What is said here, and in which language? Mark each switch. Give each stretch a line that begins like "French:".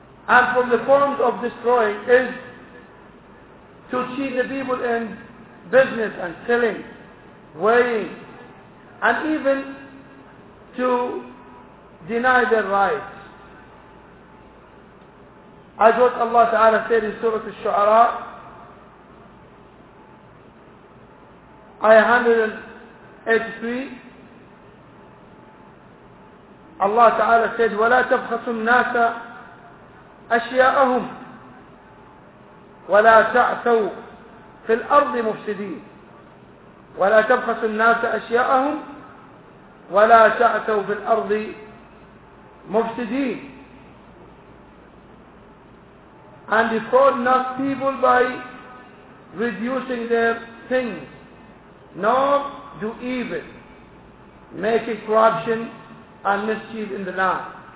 English: And from the forms of destroying is to cheat the people in business and selling, weighing, and even to deny their rights. As what Allah Ta'ala said in Surah Al-Shu'ara, Ayah 183, Allah Ta'ala said,
Arabic: وَلَا تَبْخَسُ النَّاسَ أشياءهم ولا تعثوا في الأرض مفسدين ولا تبخسوا الناس أشياءهم ولا تعثوا في الأرض مفسدين.
English: And defraud not people by reducing their things, nor do evil, making corruption and mischief in the land.